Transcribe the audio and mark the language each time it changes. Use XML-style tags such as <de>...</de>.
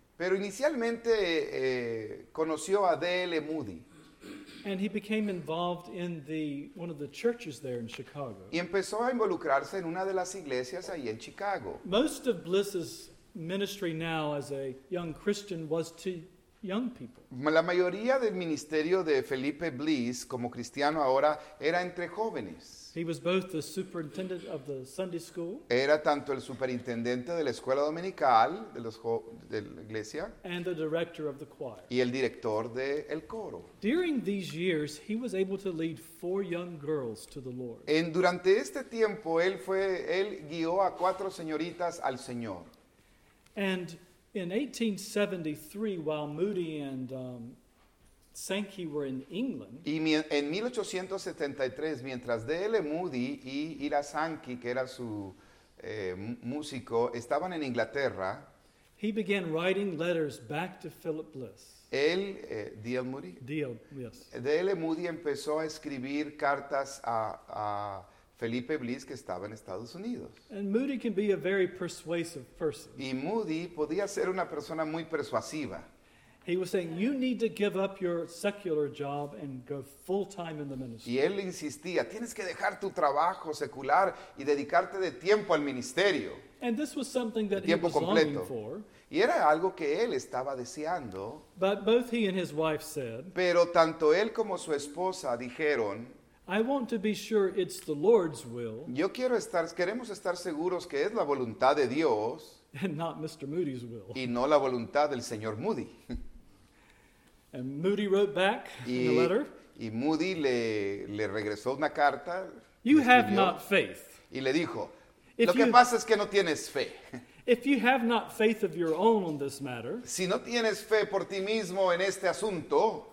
<es>Pero inicialmente conoció a D.L. Moody.</es> <en>And he became involved in one of the churches there in Chicago.</en> <es>Y empezó a involucrarse en una de las iglesias ahí en Chicago.</es> <en>Most of Bliss's ministry now as a young Christian was to young people.</en> <es>La mayoría del ministerio de Felipe Bliss como cristiano ahora era entre jóvenes.</es> <en>He was both the superintendent of the Sunday school.</en> <es>Era tanto el superintendente de la escuela dominical de la iglesia.</es> <en>And the director of the choir.</en> <es>Y el director del coro.</es> <en>During these years, he was able to lead 4 young girls to the Lord.</en> <es>Durante este tiempo, él guió a 4 señoritas al Señor.</es> <en>And in 1873, while Moody and Sankey were in England.</en> <es>Y en 1873, mientras D.L. Moody y Ira Sankey, que era su músico, estaban en Inglaterra,</es> <en>he began writing letters back to Philip Bliss. D.L. Moody? D.L., yes.</en> <es>D.L. Moody empezó a escribir cartas a Felipe Bliss, que estaba en Estados Unidos.</es> <en>And Moody can be a very persuasive person.</en> <es>Y Moody podía ser una persona muy persuasiva.</es> <en>He was saying, you need to give up your secular job and go full time in the ministry.</en> <es>Y él insistía, tienes que dejar tu trabajo secular y dedicarte de tiempo al ministerio.</es> <en>And this was something that he was longing for.</en> <es>Y era algo que él estaba deseando.</es> <en>But both he and his wife said,</en> <es>pero tanto él como su esposa dijeron,</es> <en>I want to be sure it's the Lord's will.</en> <es>Yo quiero estar, queremos estar seguros que es la voluntad de Dios.</es> <en>And not Mr. Moody's will.</en> <es>Y no la voluntad del señor Moody.</es> <en>And Moody wrote back in a letter.</en> <es>Y Moody le regresó una carta.</es> <en>You have not faith.</en> <es>Y le dijo, lo que pasa es que no tienes fe.</es> <en>If you have not faith of your own on this matter,</en> <es>si no tienes fe por ti mismo en este asunto,</es>